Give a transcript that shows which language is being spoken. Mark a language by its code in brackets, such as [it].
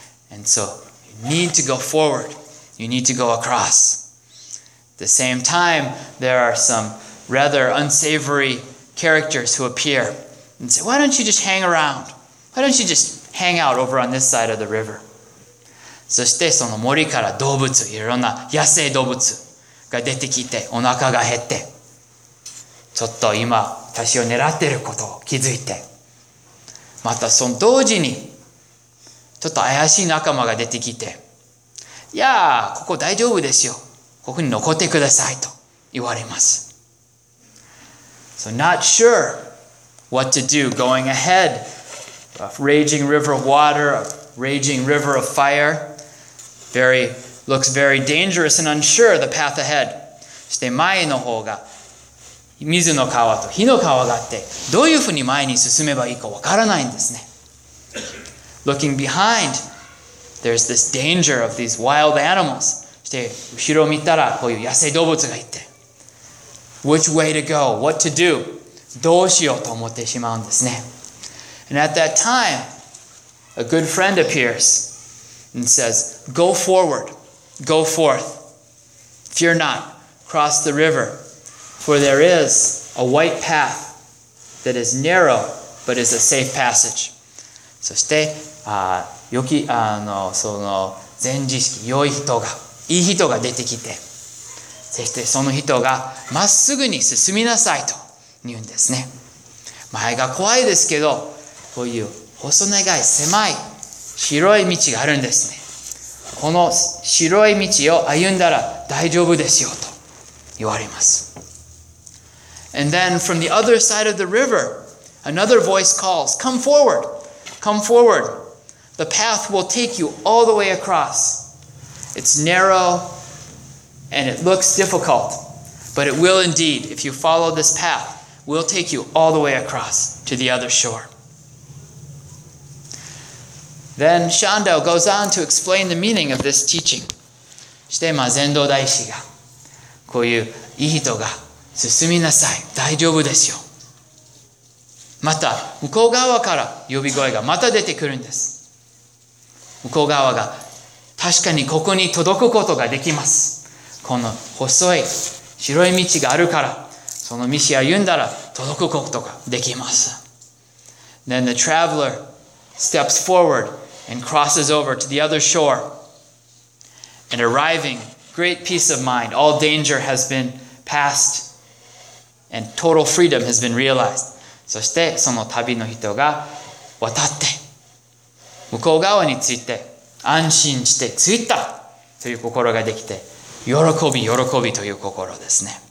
[en] And so you need to go forward. You need to go across. At the same time, there are some rather unsavory characters who appear and say, why don't you just hang around? Why don't you just hang out over on this side of the river? [ja] そしてその森から動物、いろんな野生動物が出てきて、お腹が減って、ちょっと今、私を狙っていることを気づいて、またその同時に、ちょっと怪しい仲間が出てきて、いやー、ここ大丈夫ですよ。ここに残ってくださいと言われます。 [en] So not sure what to do going ahead. A raging river of water, a raging river of fire. Looks very dangerous and unsure the path ahead. [ja] そして前の方が水の川と火の川があって、どういうふうに前に進めばいいかわからないんですね。 [en] Looking behind, there's this danger of these wild animals. [ja] そして後ろを見たらこういう野生動物がいて、 [en] Which way to go? What to do? [ja] どうしようと思ってしまうんですね。 [en] And at that time, a good friend appears and says, Go forward, go forth. Fear not, cross the river. For there is a white path that is narrow, but is a safe passage. [ja] そして、その前知識、良い人が、いい人が出てきて、そしてその人がまっすぐに進みなさいと言うんですね。前が怖いですけど、こういう細長い狭い白い道があるんですね。この白い道を歩んだら大丈夫ですよと言われます。 [en] And then from the other side of the river, another voice calls, Come forward, come forward. The path will take you all the way across. It's narrow. And it looks difficult, but it will indeed, if you follow this path, will take you all the way across to the other shore. Then Shando goes on to explain the meaning of this teaching. [ja] そして、禅道大師が、こういういい人が、進みなさい、大丈夫ですよ。また、向こう側から呼び声がまた出てくるんです。向こう側が、確かにここに届くことができます。この細い白い道があるから、その道を歩んだら届くことができます。 [en] Then the traveler steps forward and crosses over to the other shore. And arriving, great peace of mind, all danger has been passed and total freedom has been realized. [ja] そしてその旅の人が渡って、向こう側について安心して着いたという心ができて、喜び、喜びという心ですね。